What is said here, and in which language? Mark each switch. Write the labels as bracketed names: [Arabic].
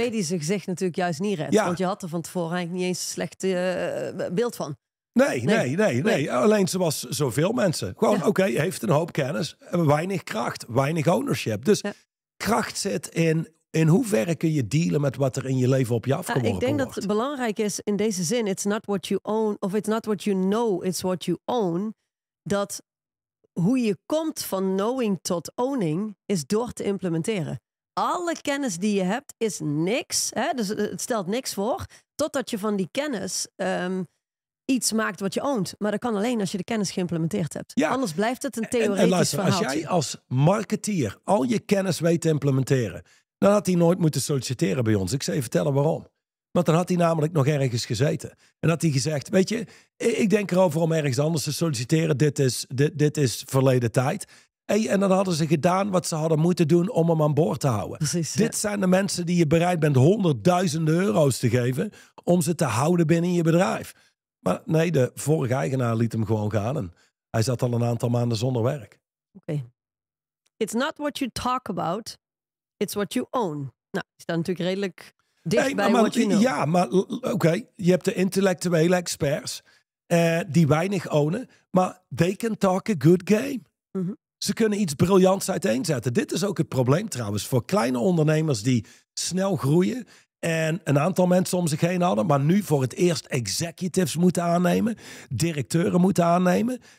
[Dutch] Waarmee die zijn gezicht natuurlijk juist niet redt. Ja. Want je had er van tevoren eigenlijk niet eens een slecht beeld van. Nee. Alleen zoals zoveel mensen. Gewoon, ja. Oké, heeft een hoop kennis, weinig kracht, weinig ownership. Dus kracht zit in hoeverre kun je dealen met wat er in je leven op je afgeworpen wordt. Ik denk wordt. Dat het belangrijk is in deze zin. [English] It's not what you own, [Dutch] of [English] it's not what you know, it's what you own. [Dutch] Dat hoe je komt van knowing tot owning is door te implementeren. Alle kennis die je hebt is niks. Hè? Dus het stelt niks voor. Totdat je van die kennis iets maakt wat je ownt. Maar dat kan alleen als je de kennis geïmplementeerd hebt. Ja. Anders blijft het een theoretisch verhaal. Als jij als marketeer al je kennis weet te implementeren, dan had hij nooit moeten solliciteren bij ons. Ik zal je vertellen waarom. Want dan had hij namelijk nog ergens gezeten. En had hij gezegd, weet je, ik denk erover om ergens anders te solliciteren. Dit is verleden tijd. En dan hadden ze gedaan wat ze hadden moeten doen om hem aan boord te houden. Precies, dit zijn de mensen die je bereid bent 100.000 euro's te geven om ze te houden binnen je bedrijf. Maar nee, de vorige eigenaar liet hem gewoon gaan. En hij zat al een aantal maanden zonder werk. Oké. [English] It's not what you talk about, it's what you own. [Dutch] Nou, is dat natuurlijk redelijk dicht bij [English] what you know. [Dutch] Ja, maar oké, je hebt de intellectuele experts die weinig ownen. Maar [English] they can talk a good game. Mm-hmm. [Dutch] Ze kunnen iets briljants uiteenzetten. Dit is ook het probleem trouwens voor kleine ondernemers die snel groeien en een aantal mensen om zich heen hadden, maar nu voor het eerst executives moeten aannemen, directeuren moeten aannemen.